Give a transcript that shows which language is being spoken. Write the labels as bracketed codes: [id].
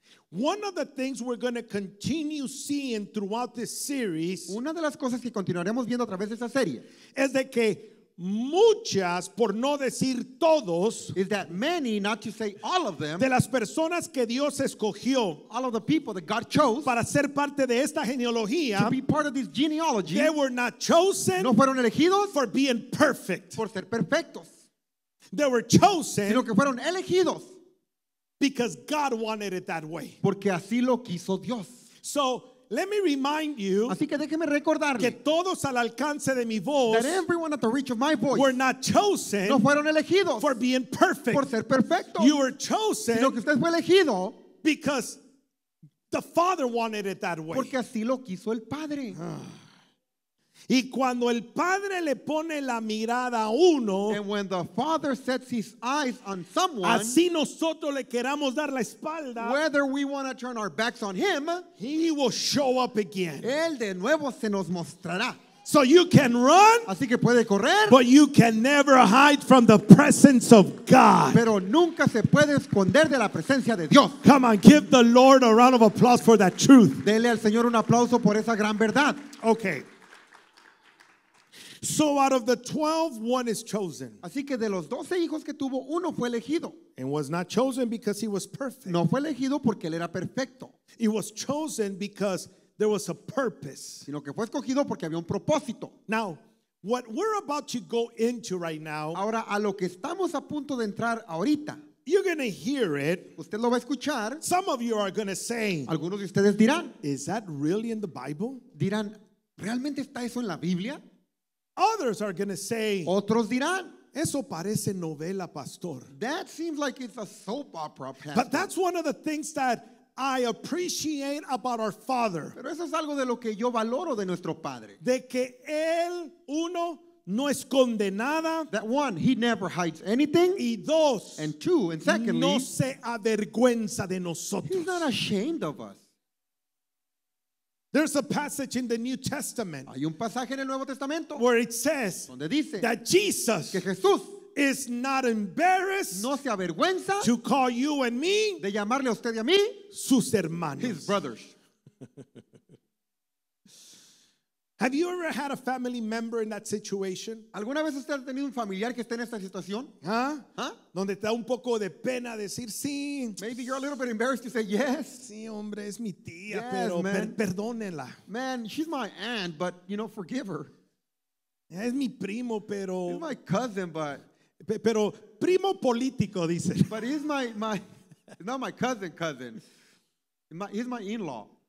[en] One of the things we're going to continue seeing throughout this series, [es] una de las cosas que continuaremos viendo a través de esta serie, es de que muchas, por no decir todos, [en] is that many, not to say all of them, [es] de las personas que Dios escogió, [en] all of the people that God chose, [es] para ser parte de esta genealogía, [en] to be part of this genealogy, they were not chosen, [es] no fueron elegidos, [en] for being perfect, [es] por ser perfectos, [en] they were chosen, [es] sino que fueron elegidos, [en] because God wanted it that way, [es] porque así lo quiso Dios. [en] So Let me remind you, [es] así que déjeme recordarle, que todos al alcance de mi voz, [en] that everyone at the reach of my voice, were not chosen, [es] no fueron elegidos, [en] for being perfect, [es] por ser perfecto, [en] you were chosen, [es] sino que usted fue elegido, [en] because the Father wanted it that way, [es] porque así lo quiso el Padre. Y cuando el Padre le pone la mirada a uno, [en] and when the Father sets his eyes on someone, [es] así nosotros le queramos dar la espalda, [en] whether we want to turn our backs on him, he will show up again. [es] Él de nuevo se nos mostrará. [en] So you can run, [es] así que puede correr, [en] but you can never hide from the presence of God. [es] Pero nunca se puede esconder de la presencia de Dios. [en] Come on, give the Lord a round of applause for that truth. [es] Dele al Señor un aplauso por esa gran verdad. [en] Okay. So out of the 12, one is chosen. [es] Así que de los 12 hijos que tuvo, uno fue elegido. [en] And was not chosen because he was perfect. [es] No fue elegido porque él era perfecto. [en] He was chosen because there was a purpose. [es] Sino que fue escogido porque había un propósito. [en] Now, what we're about to go into right now, [es] ahora a lo que estamos a punto de entrar ahorita, [en] you're going to hear it. [es] Usted lo va a escuchar. [en] Some of you are going to say, [es] algunos de ustedes dirán, [en] is that really in the Bible? [es] Dirán, ¿realmente está eso en la Biblia? [en] Others are going to say, [es] otros dirán, eso parece novela, pastor. [en] That seems like it's a soap opera, pastor. But that's one of the things that I appreciate about our Father. [es] Pero eso es algo de lo que yo valoro de nuestro Padre. De que él, uno, no esconde nada. [en] That one, he never hides anything. [es] Y dos, [en] and two, and secondly, [es] no se avergüenza de nosotros. [en] He's not ashamed of us. There's a passage in the New Testament, [es] hay un pasaje en el Nuevo Testamento, [en] where it says, [es] donde dice, [en] that Jesus, [es] que Jesús, [en] is not embarrassed, [es] no se avergüenza, [en] to call you and me, [es] de llamarle a usted y a mí, sus hermanos, [en] his brothers. Have you ever had a family member in that situation? [es] ¿Alguna vez usted ha tenido un familiar que esté en esta situación? Huh? Huh? Donde te da un poco de pena decir sí. [en] Maybe you're a little bit embarrassed to say yes. [es] Sí, hombre, es mi tía, [en] yes, [es] pero [en] man. [es] Perdónela. [en] Man, she's my aunt, but you know, forgive her. [es] Es mi primo, pero. [en] He's my cousin, but. [es] Pero primo político, dice. [en] But he's my not my cousin. He's my in-law.